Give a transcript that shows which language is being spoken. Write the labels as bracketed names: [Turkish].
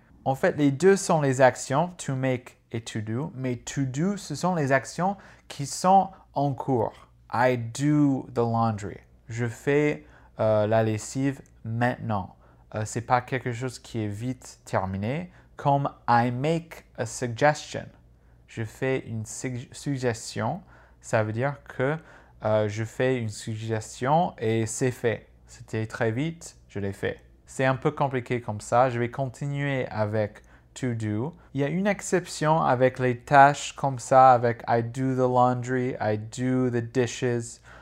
[French] En fait, les deux sont les actions, to make et to do. Mais to do, ce sont les actions qui sont en cours. [English] I do the laundry. [French] Je fais la lessive maintenant. C'est pas quelque chose qui est vite terminé. [English] Comme I make a suggestion. [French] Je fais une suggestion. Ça veut dire que je fais une suggestion et c'est fait. C'était très vite, je l'ai fait. C'est un peu compliqué comme ça. Je vais continuer avec to do. Il y a une exception avec les tâches comme ça, avec [English] I do the laundry, I do the dishes.